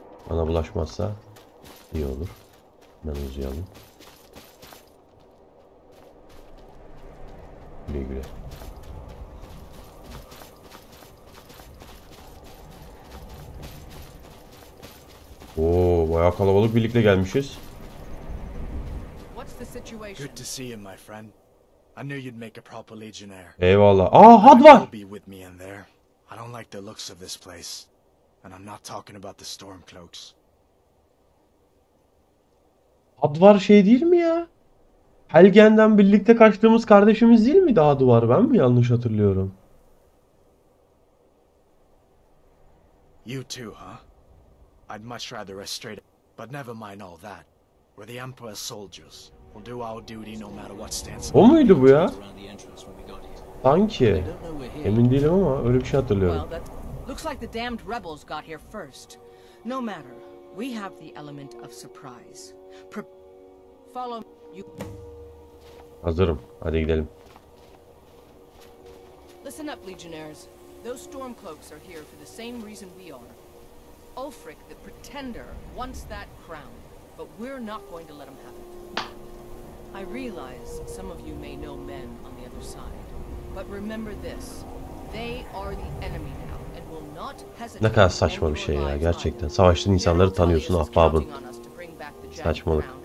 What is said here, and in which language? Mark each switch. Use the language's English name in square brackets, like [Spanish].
[Turkish] Bana bulaşmazsa iyi olur. Hemen uzayalım. Güle güle. Oo, bayağı kalabalık birlikte gelmişiz. [English] Good to see you, my friend. I knew you'd make a proper legionnaire. [Turkish] Eyvallah. Aa, Hadvar. [English] Be with me in there. I don't like the looks of this place, and I'm not talking about the storm cloaks. [Turkish] Hadvar şey değil mi ya? Helgen'den birlikte kaçtığımız kardeşimiz değil mi daha duvar? Ben mi yanlış hatırlıyorum? [English] You too, huh? I'd much rather a straight, but never mind all that. We're the Emperor's soldiers. We'll do our duty no matter what stands. [Turkish] O muydu bu ya? Sanki. Emin değilim ama öyle bir şey hatırlıyorum. Well, [English] Looks like the damned rebels got here first. No matter. We have the element of surprise. Follow you. [Turkish] Hazırım. Hadi gidelim. [English] Listen up, legionnaires. Those storm cloaks are here for the same reason we are. Ulfric, the pretender, wants that crown, but we're not going to let him have it. I realize some of you may know men on the other side, but remember this. They are the enemy now and will not hesitate. [Turkish] Ne kadar saçma bir şey ya, gerçekten. Savaştığın insanları tanıyorsun ahbabın. Saçmalık.